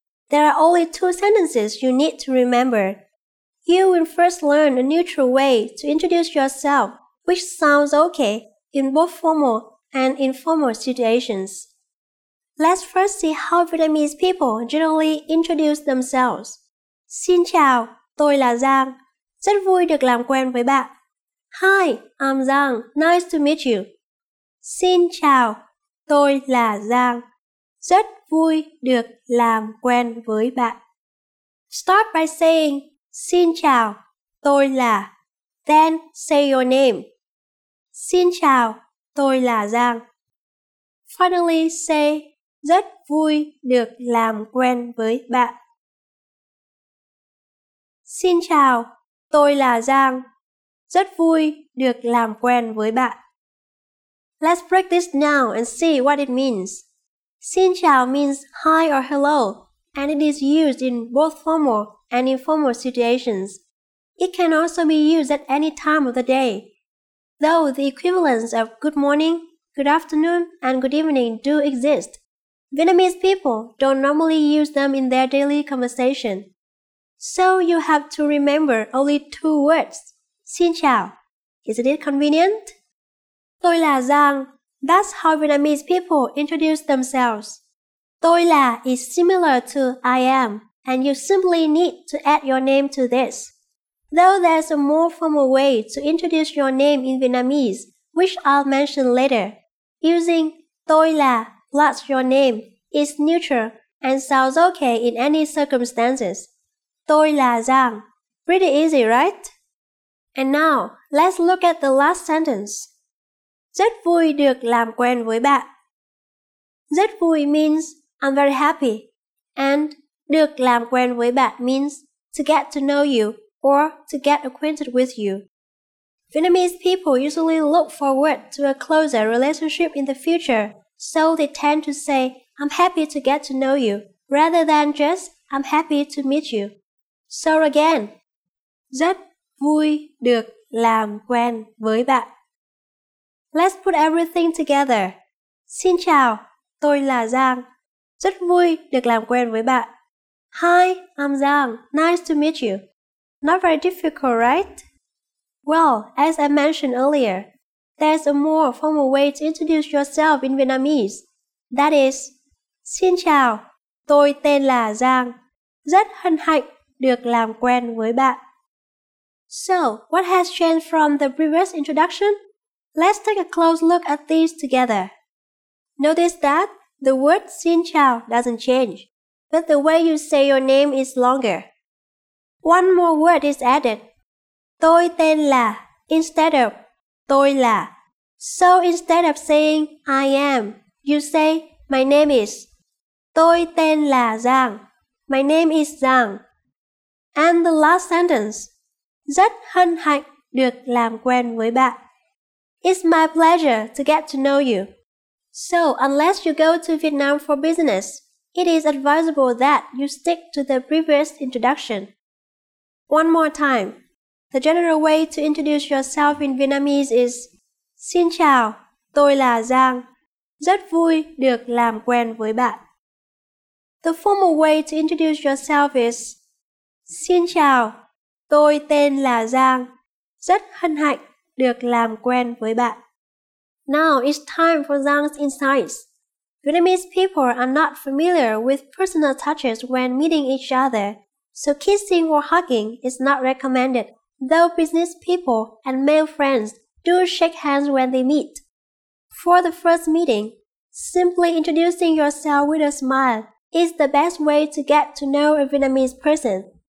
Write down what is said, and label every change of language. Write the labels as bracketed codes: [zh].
[en] There are only 2 sentences you need to remember. You will first learn a neutral way to introduce yourself, which sounds okay in both formal and informal situations. Let's first see how Vietnamese people generally introduce themselves. [vi] Xin chào, tôi là Giang. Rất vui được làm quen với bạn. [en] Hi, I'm Giang. Nice to meet you. [vi] Xin chào, tôi là Giang. Rất vui được làm quen với bạn. [en] Start by saying, [vi] Xin chào, tôi là. [en] Then say your name. [vi] Xin chào, tôi là Giang. [en] Finally say, [vi] Rất vui được làm quen với bạn. Xin chào, tôi là Giang. Rất vui được làm quen với bạn. [en] Let's break this down and see what it means. [vi] Xin chào [en] means hi or hello, and it is used in both formal and informal situations. It can also be used at any time of the day, though the equivalents of good morning, good afternoon, and good evening do exist. Vietnamese people don't normally use them in their daily conversation. So you have to remember only 2 words. [vi] Xin chào. [en] Isn't it convenient? [vi] Tôi là Giang. [en] That's how Vietnamese people introduce themselves. [vi] Tôi là [en] is similar to I am, and you simply need to add your name to this. Though there's a more formal way to introduce your name in Vietnamese, which I'll mention later, using [vi] tôi là [en] plus your name is neutral and sounds okay in any circumstances. [vi] Tôi là Giang. [en] Pretty easy, right? And now, let's look at the last sentence. [vi] Rất vui được làm quen với bạn. Rất vui [en] means I'm very happy, and [vi] được làm quen với bạn [en] means to get to know you or to get acquainted with you. Vietnamese people usually look forward to a closer relationship in the future, so they tend to say I'm happy to get to know you rather than just I'm happy to meet you. So again, [vi] rất vui được làm quen với bạn. [en] Let's put everything together. [vi] Xin chào, tôi là Giang. Rất vui được làm quen với bạn. [en] Hi, I'm Giang. Nice to meet you. Not very difficult, right? Well, as I mentioned earlier, there's a more formal way to introduce yourself in Vietnamese. That is, [vi] Xin chào, tôi tên là Giang. Rất hân hạnh được làm quen với bạn. [en] So, what has changed from the previous introduction? Let's take a close look at these together. Notice that the word [vi] xin chào [en] doesn't change, but the way you say your name is longer. One more word is added. [vi] Tôi tên là [en] instead of [vi] tôi là. [en] So instead of saying I am, you say my name is. [vi] Tôi tên là Giang. [en] My name is Giang. And the last sentence. [vi] Rất hân hạnh được làm quen với bạn. [en] It's my pleasure to get to know you. So, unless you go to Vietnam for business, it is advisable that you stick to the previous introduction. One more time. The general way to introduce yourself in Vietnamese is [vi] Xin chào, tôi là Giang. Rất vui được làm quen với bạn. [en] The formal way to introduce yourself is [vi] Xin chào, tôi tên là Giang. Rất hân hạnh được làm quen với bạn. [en] Now it's time for Giang's insights. Vietnamese people are not familiar with personal touches when meeting each other, so kissing or hugging is not recommended, though business people and male friends do shake hands when they meet. For the first meeting, simply introducing yourself with a smile is the best way to get to know a Vietnamese person.